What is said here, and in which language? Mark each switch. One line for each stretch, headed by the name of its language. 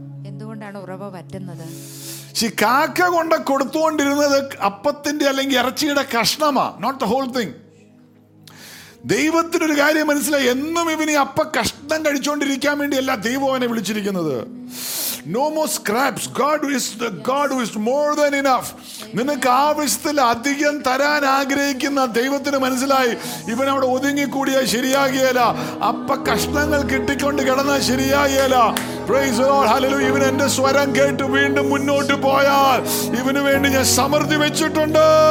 Malayalam: എന്തുകൊണ്ടാണ് ഉറവ വറ്റുന്നത്? ശീ കാക്ക കൊണ്ട് കൊടുത്തുകൊണ്ടിരുന്നത് അപ്പത്തിന്റെ അല്ലെങ്കിൽ ഇറച്ചിയുടെ കഷ്ണമാ,
English: Not the whole thing.
Malayalam: ദൈവത്തിനൊരു കാര്യം മനസ്സിലായി, എന്നും ഇവനി അപ്പ കഷ്ണം കഴിച്ചുകൊണ്ടിരിക്കാൻ വേണ്ടിയല്ല ദൈവം അവനെ വിളിച്ചിരിക്കുന്നത്.
English: No more scraps. God is the God who is more than enough.
Malayalam: നിനക്ക് ആവശ്യത്തിൽ അധികം തരാൻ ആഗ്രഹിക്കുന്ന ദൈവത്തിന് മനസ്സിലായി, ഇവൻ അവിടെ ഒതുങ്ങിക്കൂടിയ ശരിയാകിയല്ല, അപ്പ കഷ്ണങ്ങൾ കിട്ടിക്കൊണ്ട് കിടന്ന ശരിയാകിയല്ല. Praise Lord, hallelujah. ഇവൻ എന്റെ സ്വരം കേട്ട് വീണ്ടും മുന്നോട്ട് പോയാൽ ഇവന് വേണ്ടി ഞാൻ സമൃദ്ധി വെച്ചിട്ടുണ്ട്.